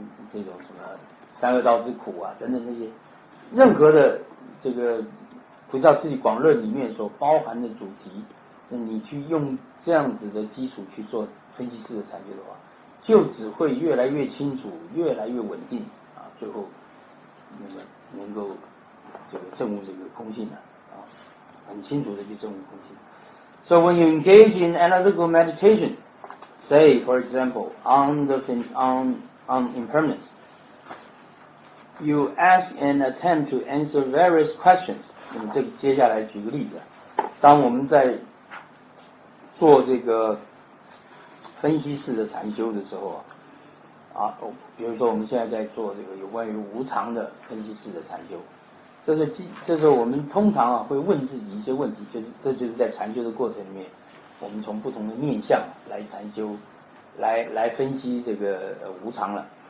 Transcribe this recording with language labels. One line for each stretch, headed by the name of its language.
Chinese: 这种什么三恶道之苦啊等等，这些任何的这个《菩萨自己广论》里面所包含的主题，那你去用这样子的基础去做分析式的禅修的话，就只会越来越清楚，越来越稳定啊，最后那么能够这个证悟这个空性了 啊很清楚的去证悟空性。
English: So when you engage in analytical meditation, say for example on impermanence, you ask and attempt to answer various questions.
Chinese: 那么这个接下来举个例子，当我们在做这个分析式的禅修的时候啊，比如说我们现在在做这个有关于无常的分析式的禅修，这时候我们通常啊会问自己一些问题，就是这就是在禅修的过程里面，我们从不同的面向来禅修，来分析这个无常了。